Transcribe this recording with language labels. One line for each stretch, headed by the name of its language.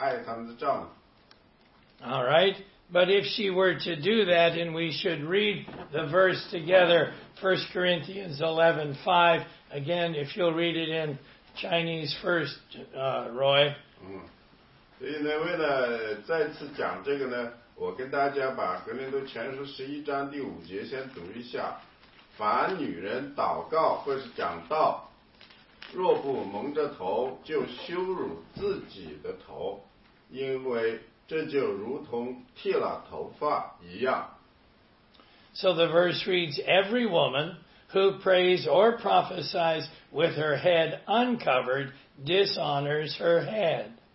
English: All right, but if she were to do that, and we should read the verse together, 1 Corinthians 11, 5, again, if you'll read it in Chinese first, Roy.
Chinese: 所以呢，为了再次讲这个呢，我跟大家把《格林多前书》11章第5节先读一下，凡女人祷告或是讲道， 若不蒙着头，就羞辱自己的头，因为这就如同剃了头发一样。
English: So the verse reads, every woman who prays or prophesies with her head uncovered dishonors her head.